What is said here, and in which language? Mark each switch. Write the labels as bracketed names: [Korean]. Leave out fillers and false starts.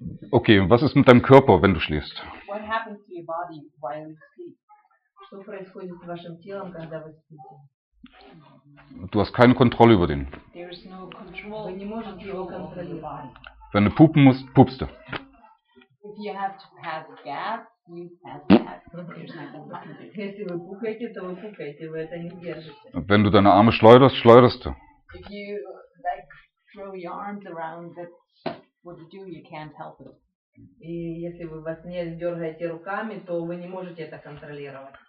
[German] Okay, was ist mit deinem Körper, wenn du schläfst? [English] What happens to your body while you sleep? [Russian] Что происходит с вашим телом, когда вы спите? [German] Du hast keine Kontrolle über den. [English] There is no control. [German] Du kannst ihn nicht kontrollieren. Wenn du pupen musst, pupst du. [English] If you have to pass gas, you pass [German] gas. Wenn du pupst, dann pupst du. Wenn du deine Arme schleuderst, schleuderst du. [English] If you like throw your arms around, that's what you do. You can't help it. [Russian] Und если вы во сне дергаете руками, то вы не можете это контролировать.